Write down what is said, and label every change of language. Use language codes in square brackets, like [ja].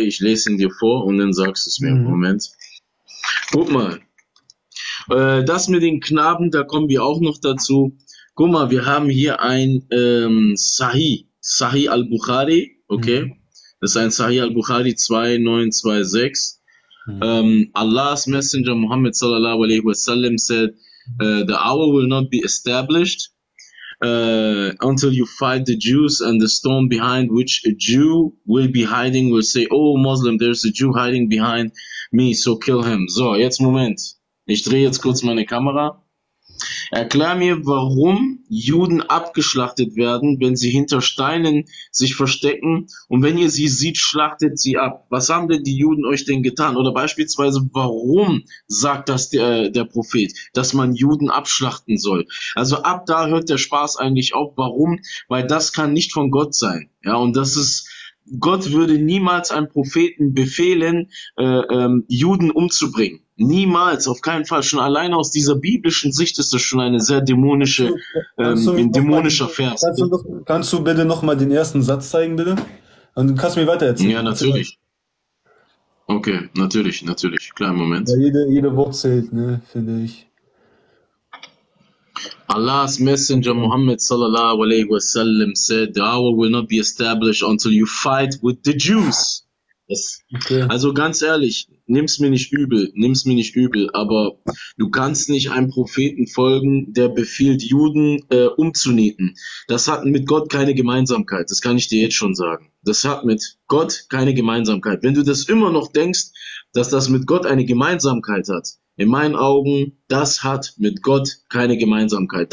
[de] Ich lese ihn dir vor und dann sagst du es mir. Moment. Guck mal, das mit den Knaben, da kommen wir auch noch dazu. Guck mal, wir haben hier ein Sahih al-Bukhari, okay? Mhm. Das ist ein Sahih al-Bukhari 2926. Mhm. [en] Allahs Messenger Muhammad sallallahu alaihi wasallam said, the hour will not be established until you fight the Jews, and the stone behind which a Jew will be hiding will say, oh Muslim, there's a Jew hiding behind me, so kill him. [de] So, jetzt Moment. Ich drehe jetzt kurz meine Kamera. Erklär mir, warum Juden abgeschlachtet werden, wenn sie hinter Steinen sich verstecken, und wenn ihr sie seht, schlachtet sie ab. Was haben denn die Juden euch denn getan? Oder beispielsweise, warum sagt das der Prophet, dass man Juden abschlachten soll? Also ab da hört der Spaß eigentlich auf. Warum? Weil das kann nicht von Gott sein. Ja, und das ist, Gott würde niemals einem Propheten befehlen, Juden umzubringen. Niemals, auf keinen Fall. Schon allein aus dieser biblischen Sicht ist das schon eine sehr dämonische, dämonischer Vers. Kannst du bitte nochmal den ersten Satz zeigen, bitte? Und dann kannst du mir weiter erzählen. Ja, natürlich. Okay, natürlich. Kleinen Moment. Ja, jede Wort zählt, ne, finde ich. [en] Allah's Messenger Muhammad sallallahu alayhi wa sallam said, the hour will not be established until you fight with the Jews. Yes. Okay. [de] Also ganz ehrlich, nimm's mir nicht übel, aber du kannst nicht einem Propheten folgen, der befiehlt, Juden umzunieten. Das hat mit Gott keine Gemeinsamkeit, das kann ich dir jetzt schon sagen. Das hat mit Gott keine Gemeinsamkeit. Wenn du das immer noch denkst, dass das mit Gott eine Gemeinsamkeit hat, in meinen Augen, das hat mit Gott keine Gemeinsamkeit.